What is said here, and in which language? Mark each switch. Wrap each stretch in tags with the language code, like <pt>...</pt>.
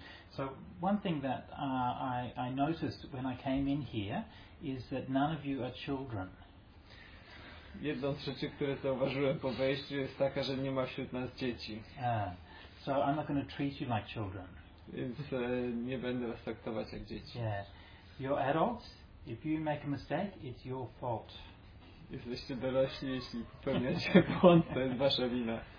<en>So one thing that I noticed when I came in here is that none of you are children.</en> <pl>Jedną z rzeczy, które zauważyłem po wejściu, jest taka, że nie ma wśród nas dzieci.</pl> <en>So I'm not going to treat you like children.</en> <pl>Więc nie będę was traktować jak dzieci.</pl> <en>Yeah. You're adults. If you make a mistake, it's your fault.</en> <pl>Jesteście dorośli, jeśli popełniacie błąd, to jest wasza wina.</pl>